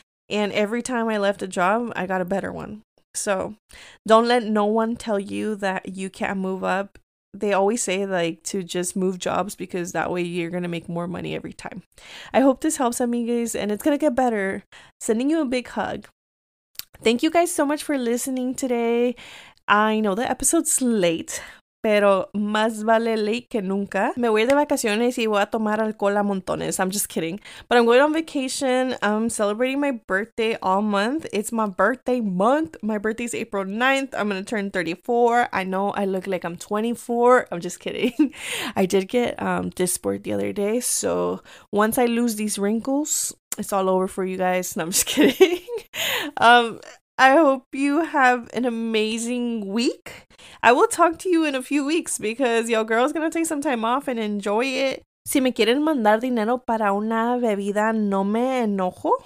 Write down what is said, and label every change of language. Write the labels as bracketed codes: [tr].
[en] And every time I left a job, I got a better one. So don't let no one tell you that you can't move up. They always say like to just move jobs because that way you're going to make more money every time. I hope this helps, amigas, and it's going to get better. Sending you a big hug. Thank you guys so much for listening today. I know the episode's late, [es] pero más vale [en] late [es] que nunca. Me voy de vacaciones y voy a tomar alcohol a montones. [en] I'm just kidding. But I'm going on vacation. I'm celebrating my birthday all month. It's my birthday month. My birthday's April 9th. I'm going to turn 34. I know I look like I'm 24. I'm just kidding. I did get Dysport the other day. So once I lose these wrinkles, it's all over for you guys. No, I'm just kidding. I hope you have an amazing week. I will talk to you in a few weeks because your girl's gonna take some time off and enjoy it. [es] Si me quieren mandar dinero para una bebida, no me enojo.